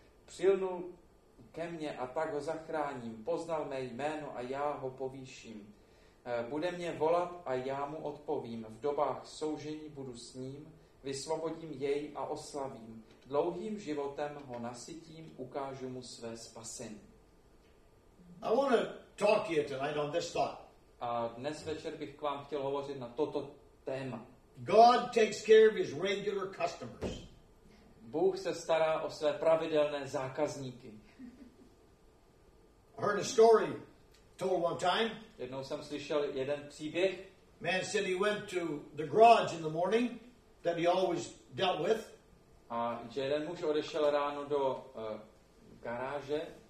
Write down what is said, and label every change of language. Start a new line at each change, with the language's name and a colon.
Czech: Přilnul ke mně a tak ho zachráním, poznal mé jméno a já ho povýším. Bude mě volat a já mu odpovím, v dobách soužení budu s ním, vysvobodím jej a oslavím. Dlouhým životem ho nasytím, ukážu mu své spasení.
English: I want to talk to you tonight on this thought.
Czech: A dnes večer bych k vám chtěl hovořit na toto téma.
English: God takes care of his regular customers.
Czech: Bůh se stará o své pravidelné zákazníky.
English: I heard a story told one time.
Czech: Jednou jsem slyšel jeden příběh.
English: Man said he went to the garage in the morning that he always dealt with.
Czech: A jeden muž odešel ráno do garáže.